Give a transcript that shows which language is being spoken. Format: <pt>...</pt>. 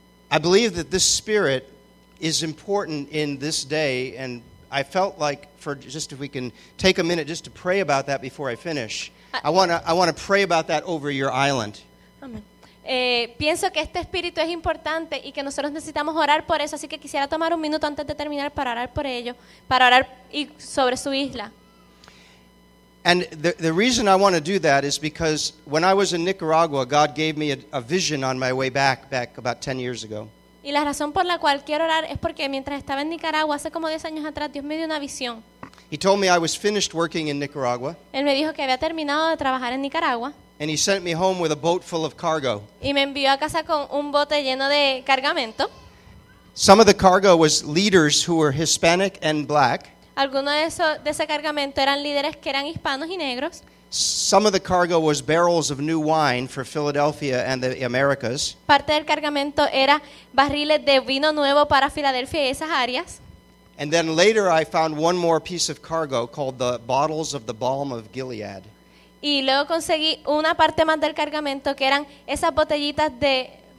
<en>I believe that this spirit is important in this day, and I felt like for just if we can take a minute just to pray about that before I finish. I want to pray about that over your island. Amen.</en> <es>Pienso que este espíritu es importante y que nosotros necesitamos orar por eso, así que quisiera tomar un minuto antes de terminar para orar por ello, para orar y sobre su isla.</es> <en>And the reason I want to do that is because when I was in Nicaragua, God gave me a vision on my way back about 10 years ago.</en> <es>Y la razón por la cual quiero orar es porque mientras estaba en Nicaragua hace como 10 años atrás, Dios me dio una visión.</es> <en>He told me I was finished working in Nicaragua.</en> <es>Él me dijo que había terminado de trabajar en Nicaragua.</es> <en>And he sent me home with a boat full of cargo.</en> <es>Y me envió a casa con un bote lleno de cargamento.</es> <en>Some of the cargo was leaders who were Hispanic and black.</en> <es>Algunos de ese cargamento eran líderes que eran hispanos y negros.</es> <en>Some of the cargo was barrels of new wine for Philadelphia and the Americas.</en> <es>Parte del cargamento era barriles de vino nuevo para Filadelfia y esas áreas.</es> <en>And then later I found one more piece of cargo called the bottles of the balm of Gilead.</en> <es>Y luego conseguí una parte más del cargamento que eran esas botellitas de</es>